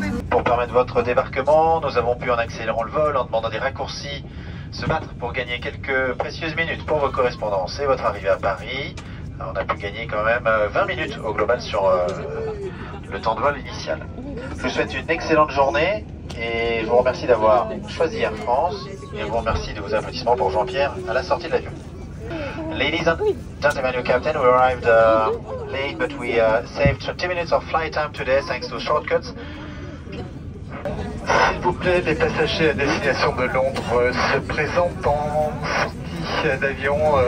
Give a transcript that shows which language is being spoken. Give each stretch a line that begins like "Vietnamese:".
French: Pour permettre votre débarquement, nous avons pu, en accélérant le vol, en demandant des raccourcis, se battre pour gagner quelques précieuses minutes pour vos correspondances et votre arrivée à Paris. Alors on a pu gagner quand même 20 minutes au global sur le temps de vol initial. Je vous souhaite une excellente journée et je vous remercie d'avoir choisi Air France et je vous remercie de vos applaudissements pour Jean-Pierre à la sortie de l'avion.
English: Ladies and gentlemen, your captain, we arrived late, but we saved 20 minutes of flight time today thanks to shortcuts.
French: S'il vous plaît, les passagers à destination de Londres se présentent en sortie d'avion.